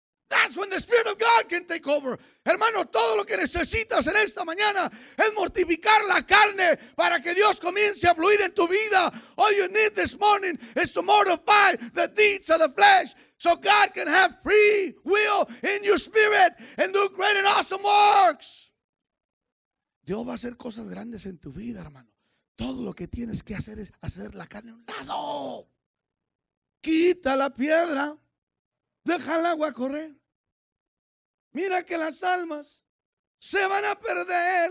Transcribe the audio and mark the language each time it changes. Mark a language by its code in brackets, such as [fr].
[en] That's when the Spirit of God can take over. [es] Hermano, todo lo que necesitas en esta mañana es mortificar la carne para que Dios comience a fluir en tu vida. [en] All you need this morning is to mortify the deeds of the flesh, so God can have free will in your spirit and do great and awesome works. [es] Dios va a hacer cosas grandes en tu vida, hermano. Todo lo que tienes que hacer es hacer la carne a un lado. Quita la piedra, deja el agua correr. Mira que las almas se van a perder.